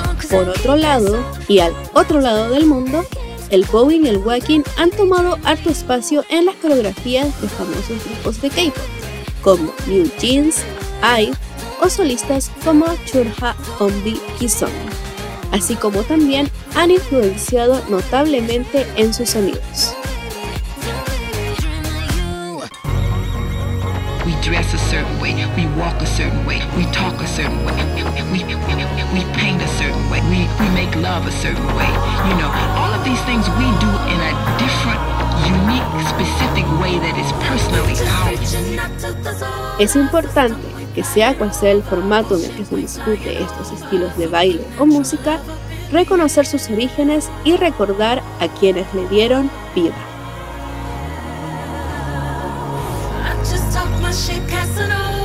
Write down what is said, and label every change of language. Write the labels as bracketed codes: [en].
[es] Por otro lado, y al otro lado del mundo, el bowing y el walking han tomado harto espacio en las coreografías de famosos grupos de K-pop, como NewJeans, IVE o solistas como Chunha, Eunbi y Sunmi, así como también han influenciado notablemente en sus sonidos. [en] We dress a certain way, we walk a certain way, we talk a certain way, we paint a certain way, we make love a certain way. You know, all of these things we do in a different, unique, specific way that is personally ours. [es] Es importante que sea cual sea el formato en el que se discute estos estilos de baile o música, reconocer sus orígenes y recordar a quienes le dieron vida. [en] Just talk my shit, casting.